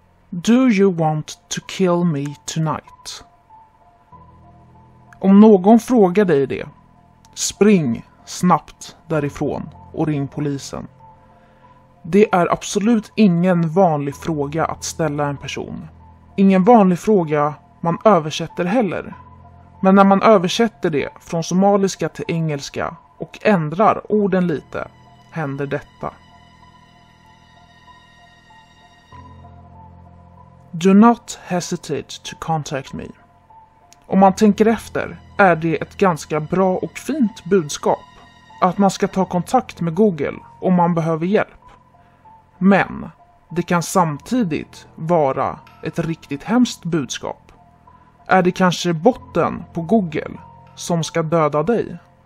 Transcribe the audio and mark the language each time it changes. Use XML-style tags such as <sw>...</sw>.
<en>Do you want to kill me tonight?</en> <sv>Om någon frågar dig det, spring snabbt därifrån och ring polisen. Det är absolut ingen vanlig fråga att ställa en person. Ingen vanlig fråga man översätter heller. Men när man översätter det från somaliska till engelska och ändrar orden lite, händer detta.</sv> <en>Do not hesitate to contact me.</en> <sv>Om man tänker efter är det ett ganska bra och fint budskap att man ska ta kontakt med Google om man behöver hjälp. Men det kan samtidigt vara ett riktigt hemskt budskap. Är det kanske botten på Google som ska döda dig?</sv>